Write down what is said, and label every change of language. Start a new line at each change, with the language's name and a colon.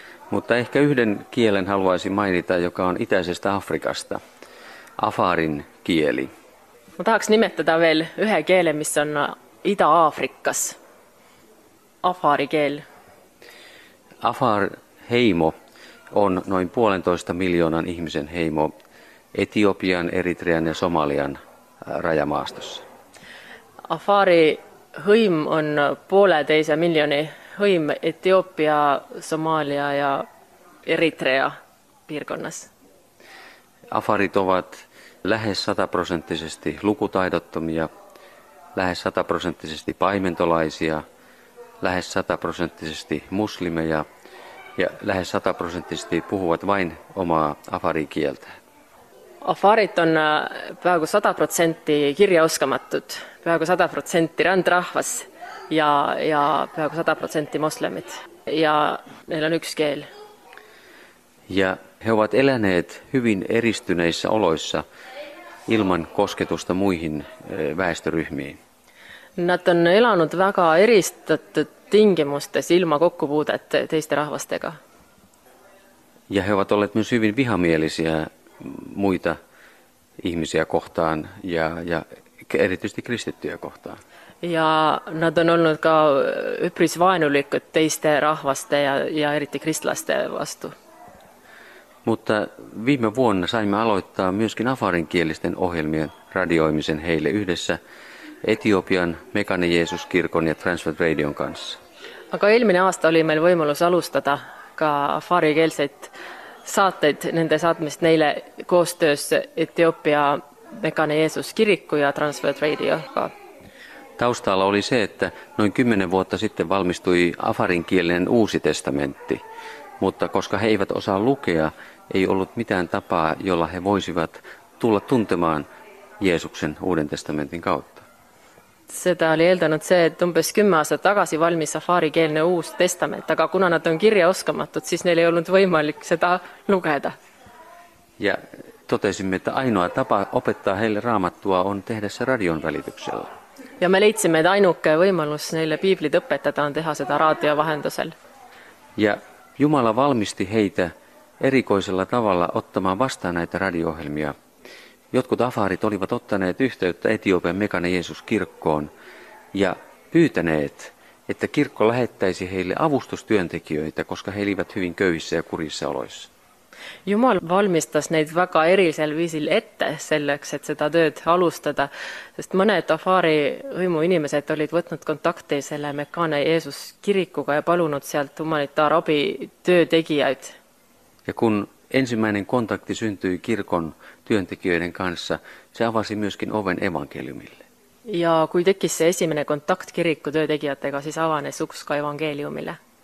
Finnish: Mutta ehkä yhden kielen haluaisin mainita, joka on itäisestä Afrikasta, Afarin kieli.
Estonian: Ma tahaks nimetada veel ühe keele, mis on Ida-Afrikas, Afari keel.
Finnish: Afar-heimo on noin 1,5 miljoonan ihmisen heimo Etiopian, Eritrean ja Somalian rajamaastossa.
Estonian: Afari hõim on 1,5 miljooni hõim Etiopia, Somalia ja Eritrea piirkonnassa.
Finnish: Afarit ovat lähes 100-prosenttisesti lukutaidottomia, lähes 100-prosenttisesti paimentolaisia, lähes 100-prosenttisesti muslimeja. Ja lähes 100-prosenttisesti puhuvat vain omaa afarikieltä.
Estonian: Afarit on peaaegu 100% kirjaoskamatud, peaaegu 100% randrahvas ja peaaegu 100% moslemit. Ja neil on
Finnish: yksi
Estonian: keel.
Finnish: Ja he ovat eläneet hyvin eristyneissä oloissa ilman kosketusta muihin väestöryhmiin.
Estonian: Nad on elanud väga eristatud tingimustes ilma kokkupuudet teiste rahvastega.
Finnish: Ja he ovat olleet myös hyvin vihamielisiä muita ihmisiä kohtaan ja erityisesti kristittyjä kohtaan.
Estonian: Ja nad on olnud ka üpris vaenulikud teiste rahvaste ja eriti kristlaste vastu.
Finnish: Mutta viime vuonna saimme aloittaa myöskin afarinkielisten ohjelmien radioimisen heille yhdessä Etiopian Mekane Jeesus-kirkon ja Transworld Radion kanssa.
Estonian: Aga eelmine aasta oli meil võimalus alustada ka afarikeelseid saateid, nende saatmist neile koostöös Etiopia Mekane Jeesus-kirikku ja Transworld Radioga.
Finnish: Taustalla oli se, että noin 10 vuotta sitten valmistui afarinkielinen uusi testamentti, mutta koska he eivät osaa lukea, ei ollut mitään tapaa, jolla he voisivat tulla tuntemaan Jeesuksen uuden testamentin kautta.
Estonian: Seda oli eeldanud see, et umbes 10 aastat tagasi valmis safaarikeelne uus testament, aga kuna nad on kirja oskamatud, siis neil ei olnud võimalik seda lugeda.
Finnish: Ja totesimme, että ainoa tapa opettaa heille raamattua on tehdä se radion välityksellä.
Estonian: Ja me leidsimme, että ainuke võimalus neile piiblit õpetada on teha seda raadio vahendusel.
Finnish: Ja Jumala valmisti heitä erikoisella tavalla ottamaan vastaan näitä radio-ohjelmia. Jotkut afaarit olivat ottaneet yhteyttä Etiopian Mekane Jeesus -kirkkoon ja pyytäneet, että kirkko lähettäisi heille avustustyöntekijöitä, koska he elivät hyvin köyhissä ja kurissa oloissa.
Estonian: Jumal valmistas neid väga erisel viisil ette selleks, et seda tööd alustada, sest mõned afaari hõimu inimesed olid võtnud kontakti selle Mekane Jeesus -kirikuga ja palunud sealt humanitaarabi töötegijaid.
Finnish: Ja kun ensimmäinen kontakti syntyi kirkon työntekijöiden kanssa, se avasi myöskin oven evankeliumille.
Estonian: Ja kui tekis see esimene kontakt kirikku töötegijatega, siis avanes uks ka evankeliumille.